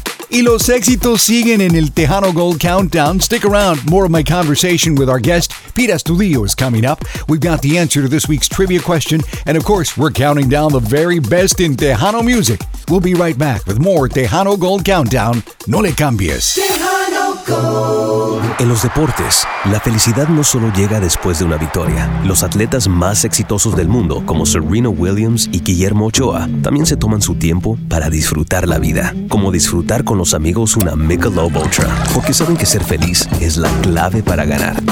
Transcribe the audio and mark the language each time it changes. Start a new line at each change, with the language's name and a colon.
Spanish: Y los éxitos siguen en el Tejano Gold Countdown.
English: Stick around, more of my conversation with our guest, Pete Astudillo, is coming up. We've got the answer to this week's trivia question, and of course, we're counting down the very best in Tejano music. We'll be right back with more Tejano Gold Countdown.
Spanish: No le cambies.
English: Tejano Gold.
Spanish: En los deportes, la felicidad no solo llega después de una victoria. Los atletas más exitosos del mundo, como Serena Williams y Guillermo Ochoa, también se toman su tiempo para disfrutar la vida. Como disfrutar con los amigos una Michelob Ultra. Porque saben que ser feliz es la clave para ganar.